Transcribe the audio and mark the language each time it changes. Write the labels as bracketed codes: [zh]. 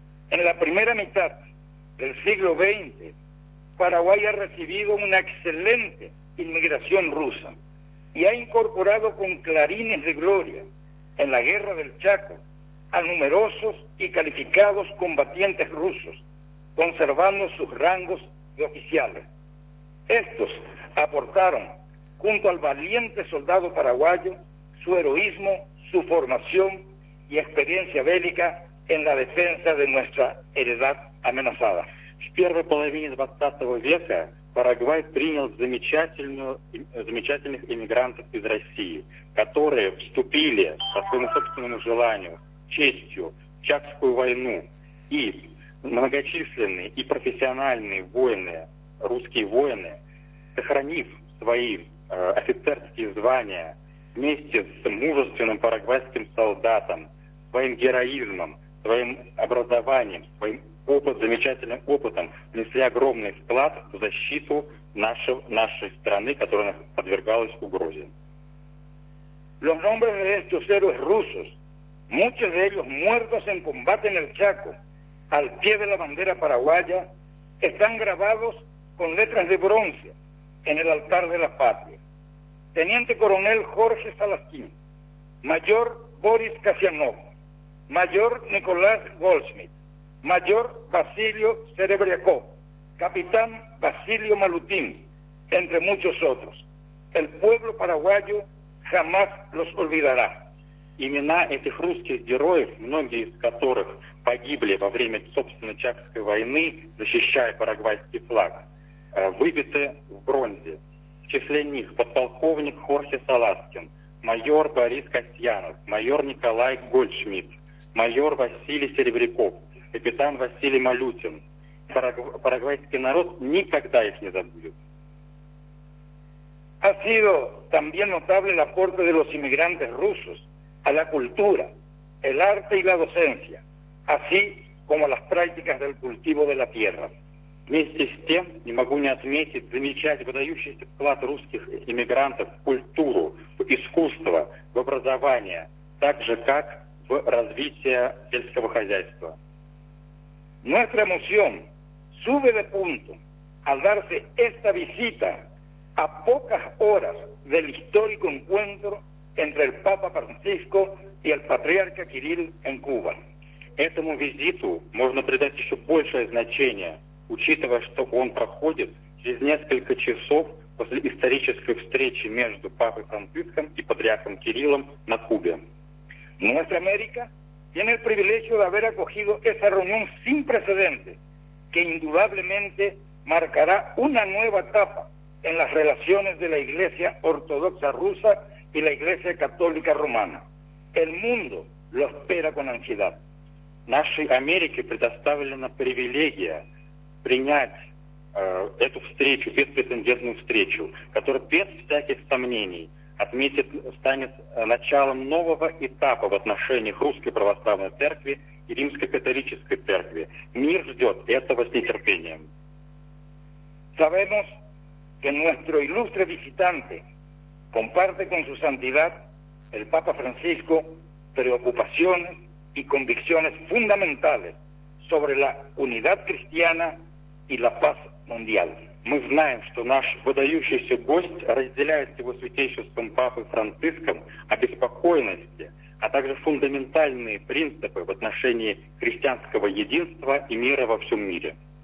[es] En la primera mitad del siglo XX, Paraguay ha recibido una excelente inmigración rusa y ha incorporado con clarines de gloria en la guerra del Chaco a numerosos y calificados combatientes rusos, conservando sus rangos de oficiales. Estos aportaron, junto al valiente soldado paraguayo, su heroísmo, su formación y experiencia bélica en la defensa de nuestra heredad amenazada. [ru] В первой половине 20 века Парагвай принял замечательных иммигрантов из России, которые вступили по своему собственному желанию, честью, в Чакскую войну, и многочисленные и профессиональные воины, русские воины, сохранив свои офицерские звания вместе с мужественным парагвайским солдатом, своим героизмом, своим образованием, своим замечательным опытом внесли огромный вклад в защиту нашей страны, которая подвергалась угрозе. [es] Los nombres de estos héroes rusos, muchos de ellos muertos en combate en el Chaco, al pie de la bandera paraguaya, están grabados con letras de bronce en el altar de la patria. Teniente Coronel Jorge Salasquín, Mayor Boris Kasianov, Mayor Nicolás Goldschmidt, Mayor Basilio Serebriakov, Capitán Basilio Malutín, entre muchos otros. El pueblo paraguayo jamás los olvidará. [ru] Имена этих русских героев, многие из которых погибли во время собственной Чакской войны, защищая парагвайский флаг, выбиты в бронзе. числе них подполковник Хорхе Саласкин, майор Борис Касьянов, майор Николай Гольдшмидт, майор Василий Серебряков, капитан Василий Малютин. Парагвайский народ никогда их не забудет. [es] Ha sido también notable el aporte de los inmigrantes rusos a la cultura, el arte y la docencia, así como las prácticas del cultivo de la tierra. [ru] Вместе с тем, не могу не отметить, замечать выдающийся вклад русских иммигрантов в культуру, в искусство, в образование, так же как в развитие сельского хозяйства. [es] Nuestra emoción sube de punto al darse esta visita a pocas horas del histórico encuentro entre el Papa Francisco y el Patriarca Kirill en Cuba. [ru] Этому визиту можно придать еще большее значение, учитывая, что он проходит через несколько часов после исторической встречи между Папой Франциском и Патриархом Кириллом на Кубе. [es] Nuestra América tiene el privilegio de haber acogido esa reunión sin precedentes, que indudablemente marcará una nueva etapa en las relaciones de la Iglesia Ortodoxa Rusa y la Iglesia Católica Romana. El mundo lo espera con ansiedad. [ru] Нашей Америке предоставлена привилегия принять эту встречу, беспрецедентную встречу, которая без всяких сомнений отметит, станет началом нового этапа в отношениях Русской Православной Церкви и Римской Католической Церкви. Мир ждет этого с нетерпением. [es] Sabemos que nuestro ilustre visitante comparte con su santidad el Papa Francisco preocupaciones y convicciones fundamentales sobre la unidad cristiana y la paz mundial. [ru] Мы знаем, что наш выдающийся гость разделяет с его святейшеством Папой Франциском обеспокоенности, а также фундаментальные принципы в отношении христианского единства и мира во всем мире.